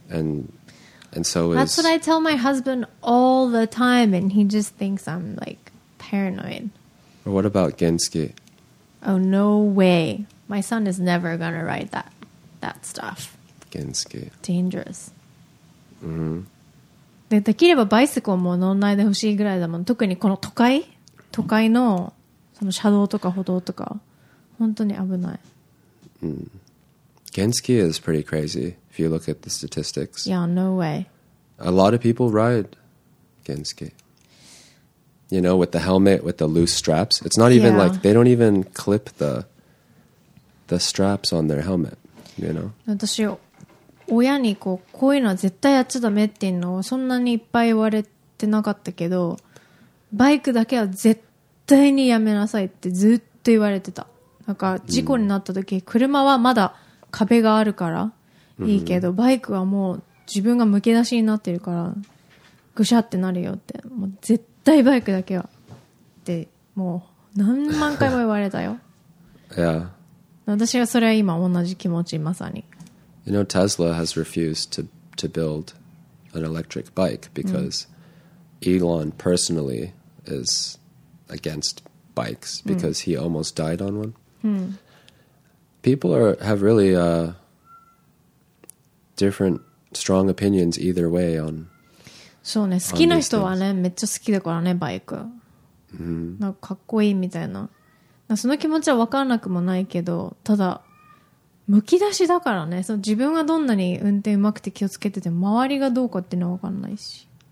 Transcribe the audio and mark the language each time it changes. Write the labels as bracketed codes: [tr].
[en] And so that's what I tell my husband all the time, and he just thinks I'm like paranoid. Or what about Genski? Oh, no way. My son is never going to ride that stuff. Genski. Dangerous. Mm-hmm. [ja] で、できればバイセコンも乗んないでほしいぐらいだもん。特にこの都会のその車道とか歩道とか本当に危ない。 Mm. [en] Genski is pretty crazy if you look at the statistics. Yeah, no way. A lot of people ride Genski. You know, with the helmet, with the loose straps. It's not even like, they don't even clip the straps on their helmet, you know? [ja] 私親にこう、こういうのは絶対やっちゃダメっていうのをそんなにいっぱい言われてなかったけど、バイクだけは絶対にやめなさいってずっと言われてた。なんか事故になった時、mm-hmm. 車はまだ壁があるからいいけど、mm-hmm. バイクはもう自分がむき出しになってるからぐしゃってなるよって、もう絶対バイクだけはってもう何万回も言われたよ。いや、 [en] yeah. [ja] 私はそれは今同じ気持ち、まさに。 [en] You know, Tesla has refused to build an electric bike because Elon personally is against bikes because he almost died on one. People have really different strong opinions either way on. [ja] そうね、好きな人はね、めっちゃ好きだからね、バイク。なんかかっこいいみたいな。なんかその気持ちは分からなくもないけど、ただ。むき出しだからね。その自分がどんなに運転うまくて気をつけてて、周りがどうかっていうのは分かんないし。